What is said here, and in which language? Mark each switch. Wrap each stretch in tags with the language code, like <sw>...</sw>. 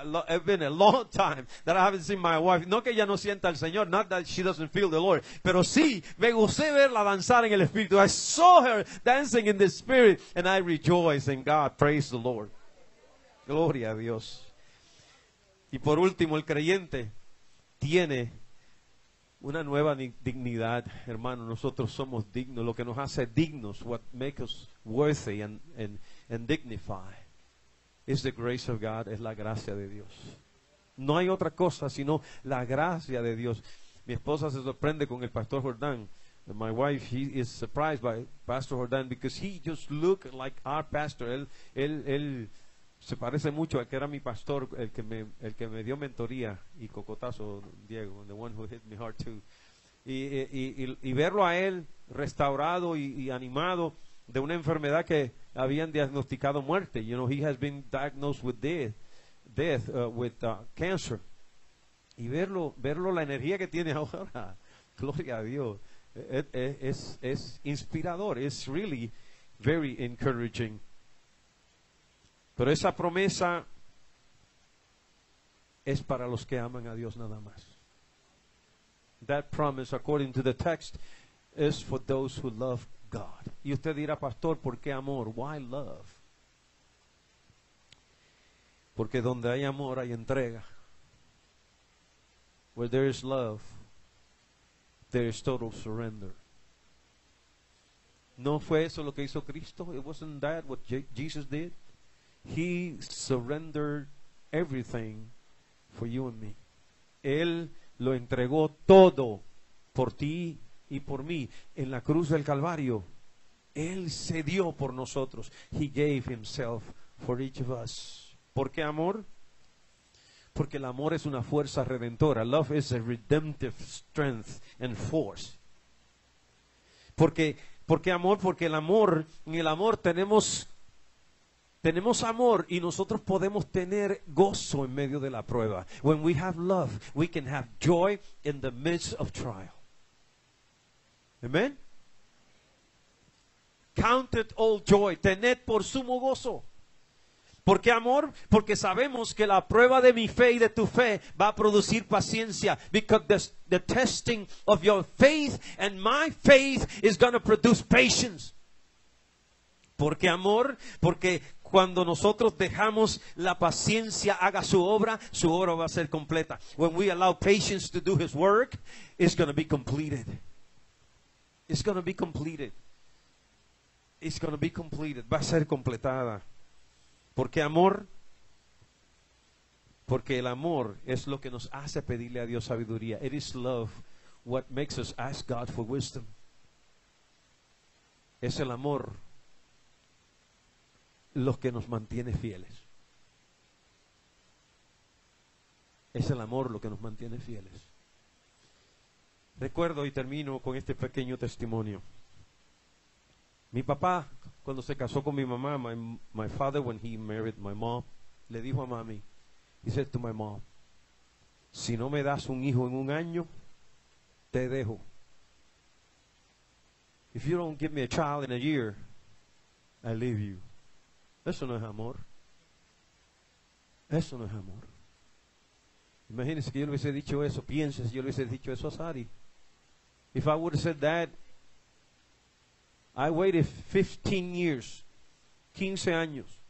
<en>It's been a long time that I haven't seen my wife.</en> <es>No que ella no sienta al Señor,</es> <en>not that she doesn't feel the Lord,</en> <es>pero sí, me gocé verla danzar en el Espíritu.</es> <en>I saw her dancing in the spirit, and I rejoiced in God. Praise the Lord.</en> <es>Gloria a Dios. Y por último, el creyente tiene una nueva dignidad. Hermano, nosotros somos dignos. Lo que nos hace dignos,</es> <en>what makes us worthy and dignified,</en> <es>is the grace of God, es la gracia de Dios. No hay otra cosa sino la gracia de Dios. Mi esposa se sorprende con el Pastor Jordán.</es> <en>My wife, she is surprised by Pastor Jordán because he just looked like our pastor.</en> <es>Él se parece mucho al que era mi pastor, el que me dio mentoría y cocotazo, Diego,</es> <en>the one who hit me hard too.</en> <es>Y verlo a él restaurado y animado de una enfermedad que habían diagnosticado muerte.</es> <en>You know, he has been diagnosed with death, with cancer.</en> <es>Y verlo la energía que tiene ahora, gloria a Dios, es inspirador.</es> <en>It's really very encouraging.</en> <es>Pero esa promesa es para los que aman a Dios nada más.</es> <en>That promise, according to the text, is for those who love God.</en> <es>Y usted dirá, pastor, ¿por qué amor?</es> <en>Why love?</en> <es>Porque donde hay amor, hay entrega.</es> <en>Where there is love, there is total surrender.</en> <es>¿No fue eso lo que hizo Cristo?</es> <en>It wasn't that what Jesus did? He surrendered everything for you and me.</en> <es>Él lo entregó todo por ti y por mí en la cruz del Calvario. Él se dio por nosotros.</es> <en>He gave himself for each of us.</en> <es>¿Por qué amor? Porque el amor es una fuerza redentora.</es> <en>Love is a redemptive strength and force.</en> <es>¿Por qué amor? Porque en el amor tenemos amor y nosotros podemos tener gozo en medio de la prueba.</es> <en>When we have love, we can have joy in the midst of trial. Amen. Count it all joy.</en> <es>Tened por sumo gozo. ¿Por qué amor? Porque sabemos que la prueba de mi fe y de tu fe va a producir paciencia.</es> <en>Because the testing of your faith and my faith is going to produce patience.</en> <es>¿Por qué amor? Porque cuando nosotros dejamos la paciencia haga su obra va a ser completa.</es> <en>When we allow patience to do his work, it's going to be completed. It's going to be completed. It's going to be completed.</en> <es>Va a ser completada. ¿Por qué amor? Porque el amor es lo que nos hace pedirle a Dios sabiduría.</es> <en>It is love what makes us ask God for wisdom.</en> <es>Es el amor los que nos mantiene fieles. Es el amor lo que nos mantiene fieles. Recuerdo y termino con este pequeño testimonio. Mi papá, cuando se casó con mi mamá,</es> <en>my father, when he married my mom,</en> <es>le dijo a mami,</es> <en>he said to my mom,</en> <es>si no me das un hijo en un año, te dejo.</es> <en>If you don't give me a child in a year, I leave you.</en> <es>Eso no es amor. Eso no es amor. Imagínense que yo le hubiese dicho eso. Piense si yo le hubiese dicho eso a Sari.</es> <en>If I would have said that, I waited 15 years,</en> <es>15 años,</es>